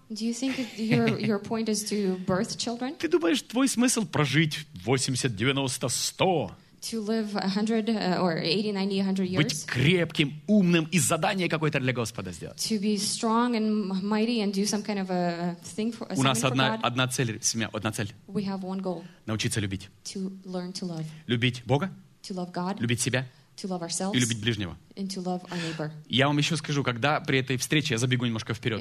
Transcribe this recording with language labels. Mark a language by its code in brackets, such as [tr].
[en] Do you think your point is to birth children? [ru] Ты думаешь, твой смысл прожить 80, 90, 100? [en] To live 100 or 80, 90, 100 years? [ru] Быть крепким, умным и задание какое-то для Господа сделать. [en] To be strong and mighty and do some kind of a thing for God. [ru] У нас одна цель, семья, одна цель. [en] We have one goal. [ru] Научиться любить. [en] To learn to love. [ru] Любить Бога. [en] To love God. [ru] Любить себя. [en] To love ourselves. [ru] И любить ближнего. [en] And to love our neighbor. [ru] Я вам еще скажу, когда при этой встрече, я забегу немножко вперед.